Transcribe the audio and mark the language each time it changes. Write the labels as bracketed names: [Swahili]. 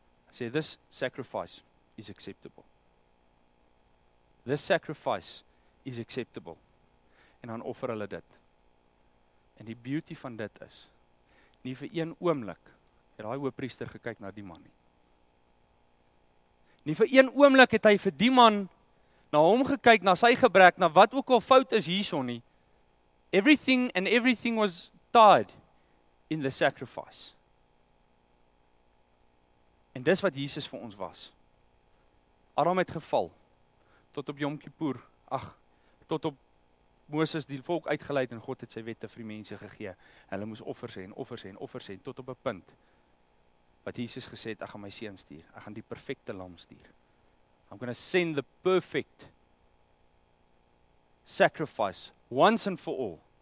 [English] Sê, this sacrifice is acceptable. This sacrifice is acceptable. [Afrikaans] En dan offer hulle dit. En die beauty van dit is, nie vir een oomblik het daai hoëpriester gekyk na die man nie. Nie vir een oomblik het hy vir die man na hom gekyk, na sy gebrek, na wat ook al fout is hierson nie. [English] Everything and everything was tied in the sacrifice. [Afrikaans] En dis wat Jesus vir ons was. Adam het geval, tot op Yom Kippur, tot op Moses die volk uitgeleid en God het sy wette vir die mense gegee. Hulle moes offers hê en offers hê en offers hê, tot op 'n punt wat Jesus gesê het, ek gaan my seun stuur, ek gaan die perfekte lam stuur. [English] I'm going to send the perfect sacrifice, once and for all.